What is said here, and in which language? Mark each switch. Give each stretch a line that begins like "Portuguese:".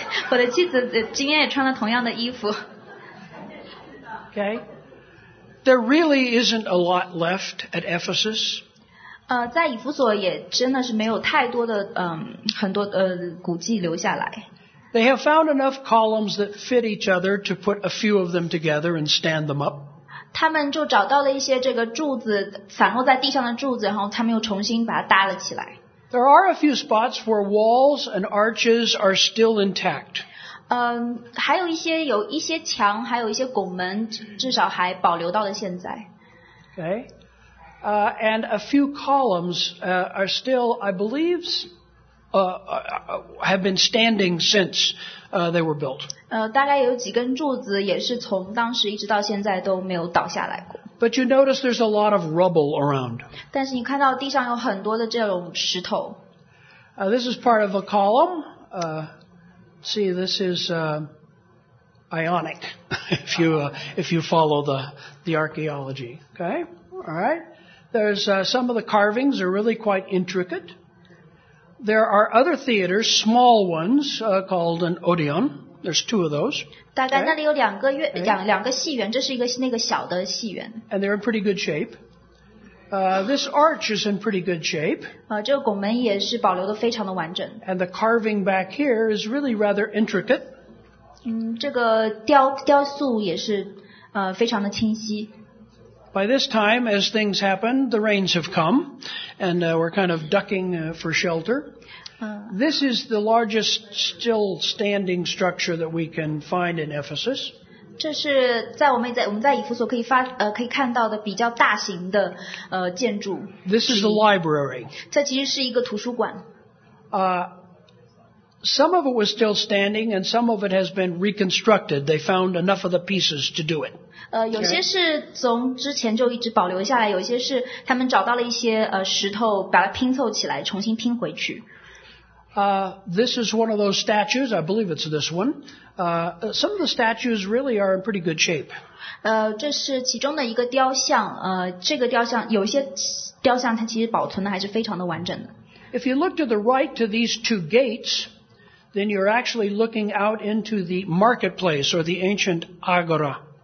Chinese: 我的妻子今天也穿了同样的衣服。
English: Okay. There really isn't a lot left at Ephesus.
Chinese: 在以弗所也真的是没有太多的很多古迹留下来。
English: They have found enough columns that fit each other to put a few of them together and stand them up.
Chinese: 他们就找到了一些这个柱子散落在地上的柱子，然后他们又重新把它搭了起来。
English: There are a few spots where walls and arches are still intact.
Chinese: 还有一些墙，还有一些拱门，至少还保留到了现在。
English: Okay. And a few columns are still, I believe. Have been standing since they were built.
Chinese: 大概有几根柱子也是从当时一直到现在都没有倒下来过。
English: But you notice there's a lot of rubble around.
Chinese: 但是你看到地上有很多的这种石头。
English: This is part of a column. See, this is Ionic. If you follow the archaeology, okay, all right. There's some of the carvings are really quite intricate. There are other theaters, small ones, called an Odeon. There's two of those.
Chinese: 大概那里有两个戏院，这是一个那个小的戏院。
English: And they're in pretty good shape. This arch is in pretty good shape.
Chinese: 这个拱门也是保留得非常的完整。
English: And the carving back here is really rather intricate.
Chinese: 这个雕塑也是非常的清晰。
English: By this time, as things happen, the rains have come, and we're kind of ducking for shelter. This is the largest still standing structure that we can find in Ephesus.
Chinese: 这是在我们在以弗所可以看到的比较大型的建筑。
English: This is the library.
Chinese: 这其实是一个图书馆。
English: Some of it was still standing, and some of it has been reconstructed. They found enough of the pieces to do it.
Chinese: 有些是从之前就一直保留下来，有些是他们找到了一些石头，把它拼凑起来，重新拼回去。
English: This is one of those statues. I believe it's this one. Some of the statues really are in pretty good shape.
Chinese: 这是其中的一个雕像。这个雕像有些雕像它其实保存的还是非常的完整的。
English: If you look to the right to these two gates, then you're actually looking out into the marketplace or the ancient agora.